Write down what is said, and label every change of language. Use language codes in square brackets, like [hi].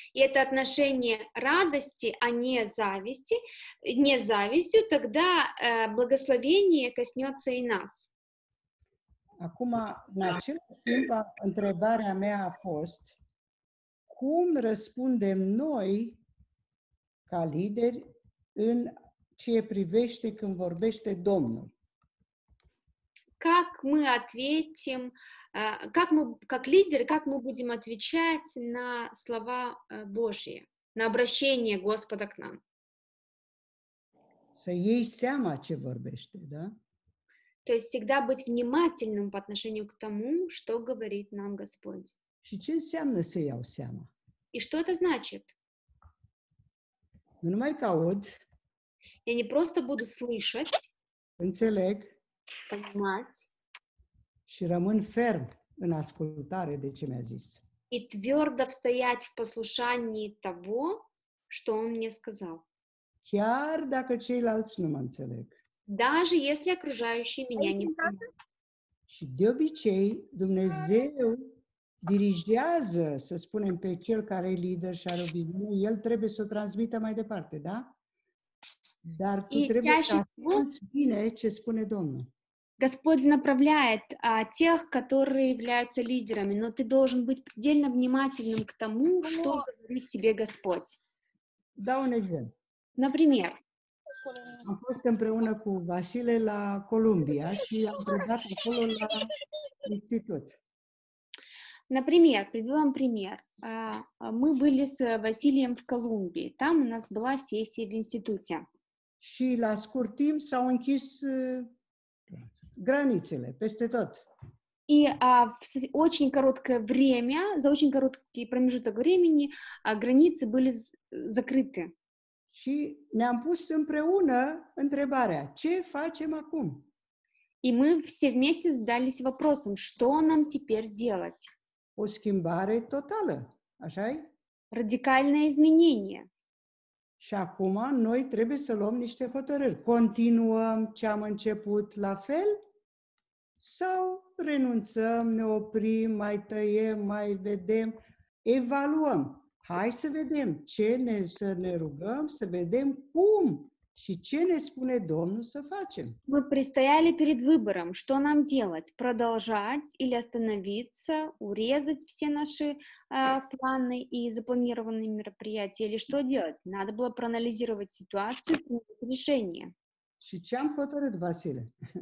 [ru] И это отношение радости, а не зависти. Не завистью, тогда благословение коснется и нас. [ro] Акума, [ru] на чем [ro] întrebarea mea a fost, cum răspundem noi ca lideri în ce privește când vorbește Domnul. [ru] Как мы ответим, как мы как лидеры, как мы будем отвечать на слова Божьи, на обращение Господа к нам? [ro] Să iei seama ce vorbește, da? [ru] То есть всегда быть внимательным по отношению к тому, что говорит нам Господь. [ro] Și ce înseamnă să iau seama? [ru] И что это значит? [ro] Nu numai că aud. [ru] Я не просто буду слышать, [ro] înțeleg, [ru] понимать [ro] и rămân ферм în ascultare de ce mi-a zis. [ru] И твердо стоять в послушании того, что он мне сказал. [ro] Chiar dacă ceilalți nu mă înțeleg. [ru] Даже если окружающие меня не понимают. [ro] Și de obicei, Dumnezeu dirigează, să spunem, pe cel care e lider și are o viziune, el trebuie să o transmită mai departe, da? Dar tu trebuie să asculți bine ce spune Domnul. [ru] Господь направляет тех, которые являются лидерами, но ты должен быть предельно внимательным к тому, что говорит тебе Господь. [ro] Дай un exemplu. [ru] Например. [ro] Am fost împreună cu Vasile la Columbia și am predat acolo la institut. [ru] Например, приведу вам пример. Мы были с Василием в Колумбии. Там у нас была сессия в институте. [ro] Și la scurt timp s-au închis границele peste tot. [ru] И в очень короткое время, за очень короткий промежуток времени, границы были закрыты. [ro] Și ne-am pus împreună întrebarea: ce facem acum? И мы все вместе задались вопросом: что нам теперь делать? O schimbare totală, așa-i? Радикальное изменение. Și acum noi trebuie să luăm niște hotărâri. Continuăm ce am început la fel? Sau renunțăm, ne oprim, mai tăiem, mai vedem, evaluăm? Hai să vedem ce ne rugăm, să vedem cum și ce ne spune Domnul să facem. [ru] Мы предстояли перед выбором, что нам делать: продолжать или остановиться, урезать все наши планы и запланированные мероприятия, или что делать? Надо было проанализировать ситуацию и решение. [ro] Și ce am hotărât, Vasile?